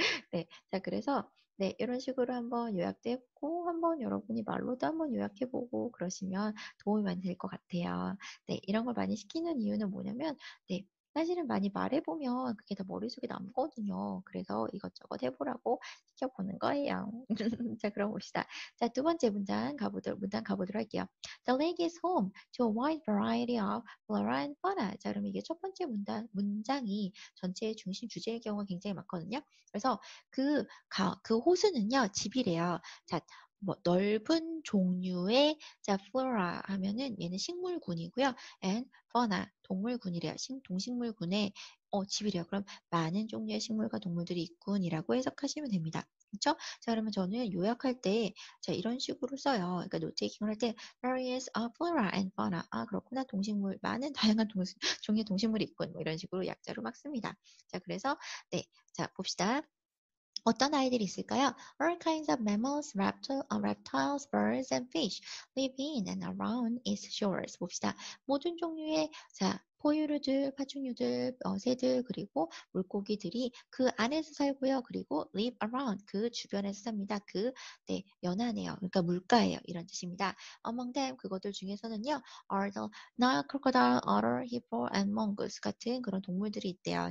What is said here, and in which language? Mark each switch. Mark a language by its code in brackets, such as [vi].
[ko] 네, 자, 그래서 네, 이런 식으로 한번 요약도 했고, 한번 여러분이 말로도 한번 요약해보고 그러시면 도움이 많이 될것 같아요. 네, 이런 걸 많이 시키는 이유는 뭐냐면, 네, 사실은 많이 말해보면 그게 다 머릿속에 남거든요. 그래서 이것저것 해보라고 시켜보는 거예요. 자, 그럼 봅시다. 자, 두 번째 문단 가보도록 할게요. [en] The lake is home to a wide variety of flora and fauna. [ko] 자, 그럼 이게 첫 번째 문장이 전체의 중심 주제일 경우가 굉장히 많거든요. 그래서 그 호수는요, 집이래요. 자, 뭐 넓은 종류의 자 flora 하면은 얘는 식물군이고요. and fauna 동물군이래요. 동식물군의 집이래요. 그럼 많은 종류의 식물과 동물들이 있군이라고 해석하시면 됩니다. 그렇죠? 자, 그러면 저는 요약할 때자 이런 식으로 써요. 그러니까 노테이킹을 할때 [en] various flora and fauna. [ko] 아, 그렇구나. 동식물 많은 다양한 종류의 동식물이 있군. 뭐 이런 식으로 약자로 막 씁니다. 자, 그래서 네. 자, 봅시다. 어떤 아이들이 있을까요? [en] All kinds of mammals, reptiles, birds, and fish live in and around its shores. [ko] 봅시다. 모든 종류의 자 포유류들, 파충류들, 새들, 그리고 물고기들이 그 안에서 살고요. 그리고 [en] live around, [ko] 그 주변에서 삽니다. 그, 네, 연안에요. 그러니까 물가에요. 이런 뜻입니다. [en] Among them, [ko] 그것들 중에서는요. [en] Are the Nile crocodile, otter, hippo, and mongoose [ko] 같은 그런 동물들이 있대요.